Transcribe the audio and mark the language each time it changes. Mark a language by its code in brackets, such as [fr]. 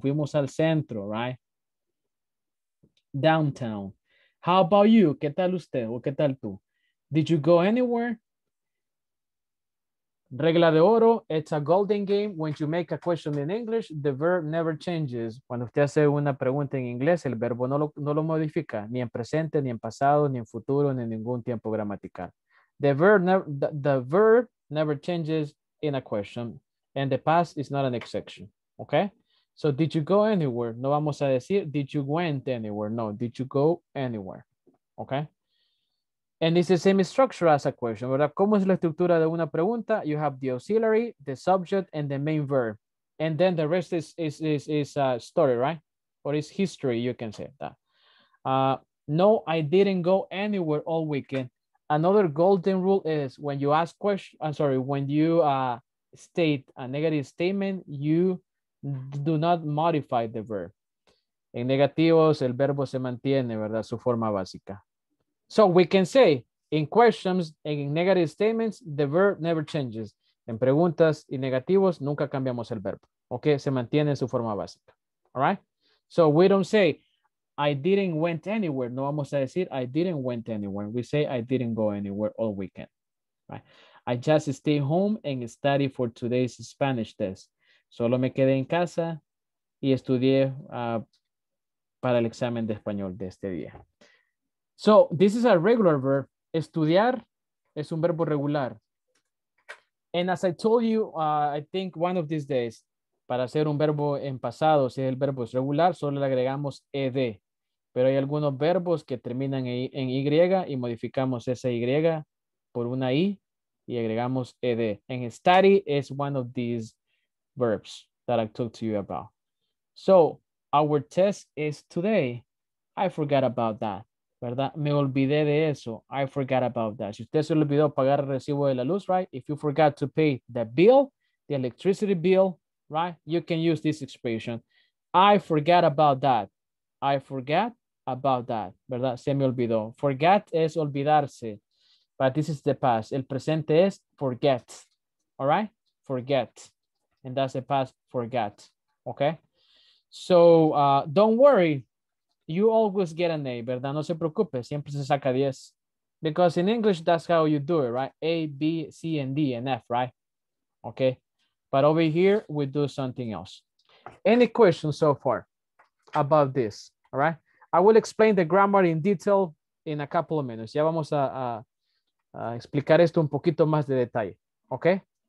[es] Fuimos al centro, right? Downtown. [en] How about you? [es] ¿Qué tal usted? ¿O qué tal tú? [en] Did you go anywhere? [es] Regla de oro. [en] It's a golden game. When you make a question in English, the verb never changes. [es] Cuando usted hace una pregunta en inglés, el verbo no lo modifica. Ni en presente, ni en pasado, ni en futuro, ni en ningún tiempo gramatical. [en] The verb never changes in a question, and the past is not an exception. Okay? So did you go anywhere? [es] No vamos a decir, [en] did you went anywhere? No, did you go anywhere? Okay? And it's the same structure as a question, ¿verdad? [es] ¿Cómo es la estructura de una pregunta? [en] You have the auxiliary, the subject, and the main verb. And then the rest is a story, right? Or is history, you can say that. No, I didn't go anywhere all weekend. Another golden rule is when you ask question, I'm sorry, when you state a negative statement, you do not modify the verb. [es] En negativos, el verbo se mantiene, ¿verdad? Su forma básica. [en] So we can say in questions and in negative statements, the verb never changes. [es] En preguntas y negativos, nunca cambiamos el verbo. Okay, se mantiene su forma básica. All right. [en] So we don't say, I didn't went anywhere. [es] No vamos a decir, [en] I didn't went anywhere. We say, I didn't go anywhere all weekend. Right. I just stay home and study for today's Spanish test. [es] Solo me quedé en casa y estudié para el examen de español de este día. [en] So this is a regular verb. [es] Estudiar es un verbo regular. [en] And as I told you, I think one of these days, [es] para hacer un verbo en pasado, si el verbo es regular, solo le agregamos ed. Pero hay algunos verbos que terminan en y y modificamos esa y por una i y agregamos ed. [en] And study is one of these verbs that I talked to you about. So our test is today. I forgot about that. ¿Verdad? [es] Me olvidé de eso. [en] I forgot about that. [es] Si usted se olvidó pagar el recibo de la luz, right? [en] If you forgot to pay the bill, the electricity bill, right? You can use this expression. I forgot about that. I forgot about that. ¿Verdad? [es] Se me olvidó. [en] Forgot es olvidarse. But this is the past. [es] El presente es forget. All right? Forget. [en] And that's the past, forget. Okay? So don't worry. You always get an A, [es] ¿verdad? No se preocupe, siempre se saca 10. [en] Because in English, that's how you do it, right? A, B, C, and D, and F, right? Okay. But over here, we do something else. Any questions so far about this, all right? I will explain the grammar in detail in a couple of minutes. [es] Ya vamos a explicar esto un poquito más de detalle, okay?